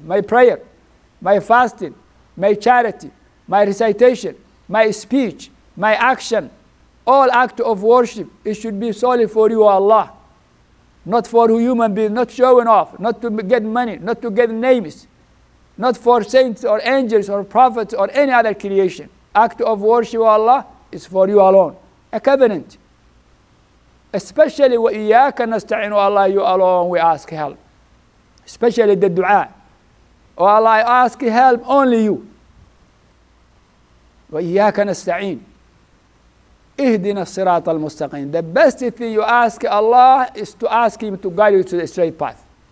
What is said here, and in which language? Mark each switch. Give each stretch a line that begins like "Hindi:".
English: My prayer, my fasting, my charity, my recitation, my speech, my action, all act of worship, it should be solely for you, Allah. Not for human beings, not showing off, not to get money, not to get names, not for saints or angels or prophets or any other creation. Act of worship, Allah, is for you alone. A covenant. Especially,
Arabic: وَإِيَّاكَ نَسْتَعِينُ.
English: Allah, you alone, we ask help. Especially the dua. Oh Allah, I ask help only you.
Arabic: وَإِيَّاكَ نَسْتَعِينُ. اِهْدِنَا الصِّرَاطَ الْمُسْتَقِينَ.
English: The best thing you ask Allah is to ask Him to guide you to the straight path.